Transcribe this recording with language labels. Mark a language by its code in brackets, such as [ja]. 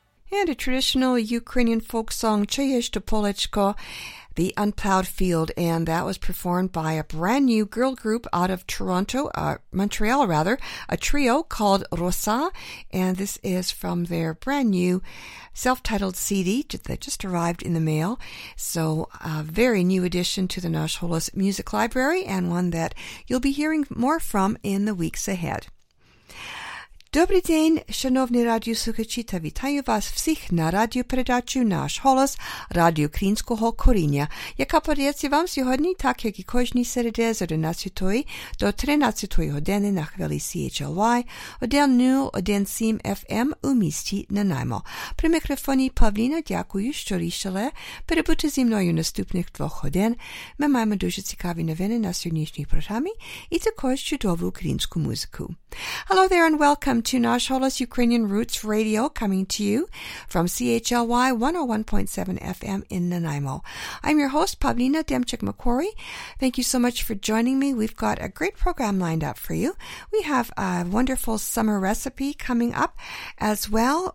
[en] And a traditional Ukrainian folk song, Chiye Shto Polechko, The Unplowed Field, and that was performed by a brand new girl group out of Montreal, a trio called Rosa, and this is from their brand new self-titled CD that just arrived in the mail. So a very new addition to the Nasholas Music Library, and one that you'll be hearing more from in the weeks ahead. [uk] Добрий день, шановні радіослухачі, та вітаю вас всіх на радіопередачі «Наш голос» радіоукраїнського коріння, яка подається вам сьогодні, так як і кожні середи з 11 до 13 години на хвилі CHLY, 1017 FM у місті Нанаймо. При мікрофоні Павліна, дякую, що рішили перебути зі мною наступних 2 годин. Ми маємо дуже цікаві новини на сьогоднішній програмі і також чудову українську музику. [en] Hello there and welcome to Nasholas Ukrainian Roots Radio, coming to you from CHLY 101.7 FM in Nanaimo. I'm your host, Pavlina Demchik-Macquarie. Thank you so much for joining me. We've got a great program lined up for you. We have a wonderful summer recipe coming up as well.